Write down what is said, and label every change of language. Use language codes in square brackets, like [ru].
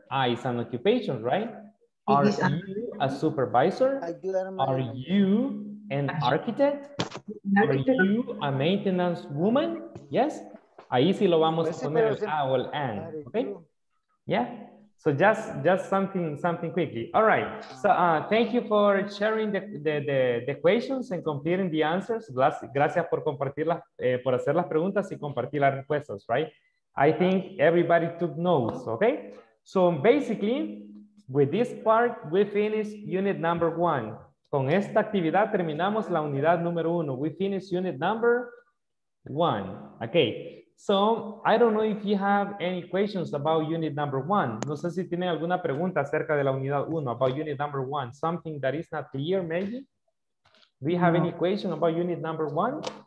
[en] Ah, it's an occupation, right? Are you a supervisor? Are you an architect? Are you a maintenance woman? Yes? [es] Ahí sí lo vamos a poner el a o el an, okay? [en] Yeah? So just something quickly. All right. So thank you for sharing the questions and completing the answers. [es] Gracias por compartirlas, por hacer las preguntas y compartir las respuestas, right? [en] I think everybody took notes, okay? So basically, with this part, we finish unit number one. [es] Con esta actividad terminamos la unidad número uno. [en] We finish unit number one, okay? So, I don't know if you have any questions about unit number one. [es] No sé si tienen alguna pregunta acerca de la unidad uno, [en] about unit number one. Something that is not clear, maybe? Do you have any question about unit number one?